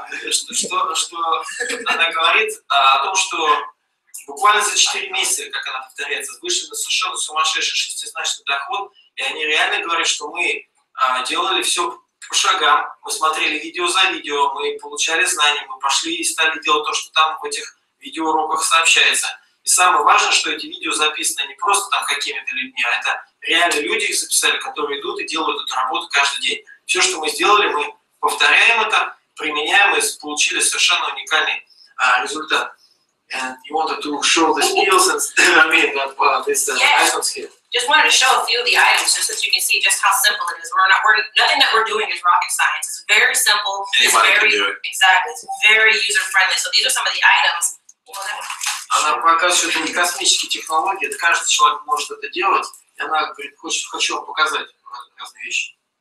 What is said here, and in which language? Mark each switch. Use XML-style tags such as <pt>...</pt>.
<ru>Что она говорит о том, что буквально за 4 месяца, как она повторяется, вышли на совершенно сумасшедший шестизначный доход, и они реально говорят, что мы делали все по шагам, мы смотрели видео за видео, мы получали знания, мы пошли и стали делать то, что там в этих видеоуроках сообщается. И самое важное, что эти видео записаны не просто там какими-то людьми, а это реально люди их записали, которые идут и делают эту работу каждый день. Все, что мы сделали, мы повторяем это, применяем и получили совершенно уникальный результат.</ru> <en>And you wanted to show the skills instead of me, not this iPhone skill. Just wanted to show a few of the items, just so you can see just how simple it is. Nothing that we're doing is rocket science. It's very simple. Anybody can do it. Exactly. It's very user-friendly. So these are some of the items.</en> <ru>Она показывает, что это не космические технологии, это каждый человек может это делать. И она говорит, хочу вам показать разные вещи.</ru>